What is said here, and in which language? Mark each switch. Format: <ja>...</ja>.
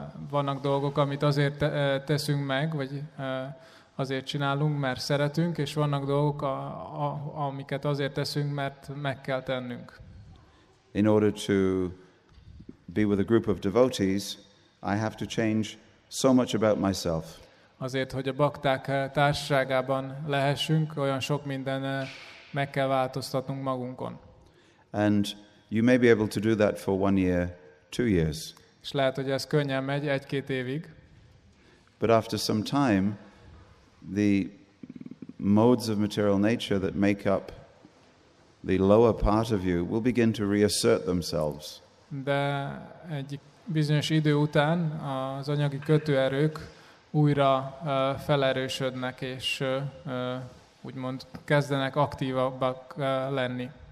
<hu>Vannak dolgok, amit azért teszünk meg, vagy azért csinálunk, mert szeretünk, és vannak dolgok, amiket azért teszünk, mert meg kell tennünk.</hu> <en>In order to be with a group of devotees, I have to change so much about myself.</en> <hu>Azért, hogy a bakták társaságában lehessünk, olyan sok minden meg kell változtatnunk magunkon.</hu> <en>And you may be able to do that for 1 year, 2 years.</en> <hu>És lehet, hogy ez könnyen megy, 1-2 évig.</hu> <en>But after some time, the modes of material nature that make up the lower part of you will begin to reassert themselves.</en> <hu>De egy bizonyos idő után az anyagi kötőerők újra felerősödnek, és úgymond kezdenek aktívabbak lenni.</hu>